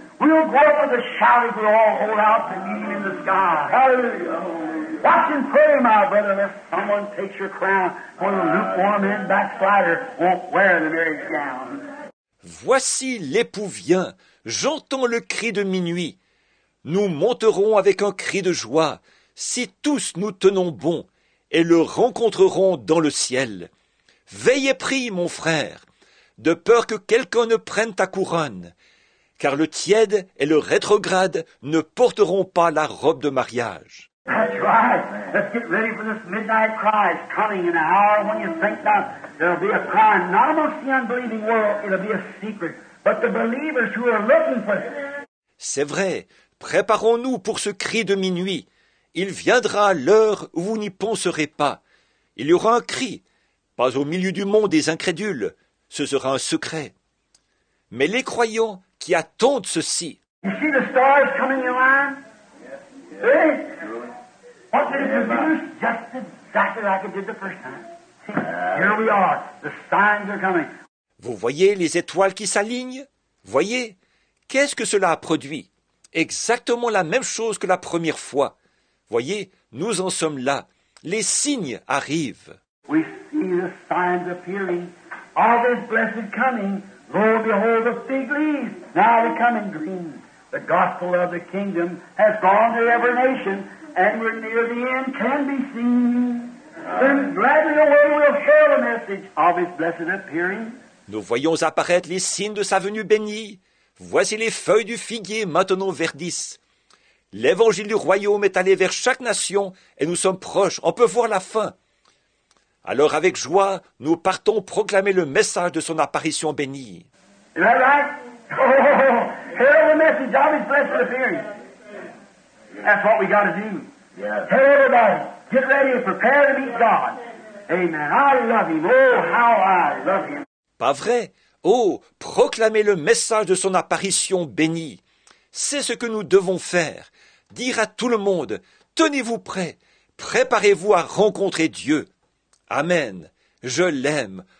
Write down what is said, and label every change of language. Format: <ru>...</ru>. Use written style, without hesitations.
<en>We'll go up with a shout if we all hold out the meeting in the sky. Hallelujah. Watch and pray, my brother, lest someone takes your crown, for the lukewarm and backslider won't wear the marriage gown.</en> <fr>Voici l'époux vient. J'entends le cri de minuit. Nous monterons avec un cri de joie, si tous nous tenons bon, et le rencontrerons dans le ciel. Veille et prie, mon frère, de peur que quelqu'un ne prenne ta couronne, car le tiède et le rétrograde ne porteront pas la robe de mariage.</fr> <en>That's right. Let's get ready for this midnight cry. It's coming in an hour when you think that there'll be a cry. Not amongst the unbelieving world, it'll be a secret, but the believers who are looking for it.</en> <fr>C'est vrai. Préparons-nous pour ce cri de minuit. Il viendra l'heure où vous n'y penserez pas. Il y aura un cri, pas au milieu du monde des incrédules. Ce sera un secret. Mais les croyants qui attendent ceci.</fr> <en>You see the stars coming in line? Yeah. See? Yeah. What did it produce? Just exactly like it did the first time. Here we are. The signs are coming.</en> <fr>Vous voyez les étoiles qui s'alignent? Voyez, qu'est-ce que cela a produit? Exactement la même chose que la première fois. Voyez, nous en sommes là. Les signes arrivent.</fr> <en>We see the signs appearing of this blessed coming. Lo, behold, the fig leaves now becoming green. The gospel of the kingdom has gone to every nation, and we're near the end, can be seen. Then gladly away we'll share the message of his blessed appearing.</en> <fr>Nous voyons apparaître les signes de sa venue bénie. Voici les feuilles du figuier maintenant verdissent. L'évangile du royaume est allé vers chaque nation et nous sommes proches. On peut voir la fin. Alors avec joie, nous partons proclamer le message de son apparition bénie.</fr> <en>Is that right? Oh, tell the message of his blessed appearing. That's what we got to do. Yes. Tell everybody, get ready and prepare to meet God. Amen. I love him. Oh, how I love him.</en> <fr>Pas vrai? Oh, proclamez le message de son apparition bénie. C'est ce que nous devons faire. Dire à tout le monde, tenez-vous prêts, préparez-vous à rencontrer Dieu. Amen. Je l'aime.</fr>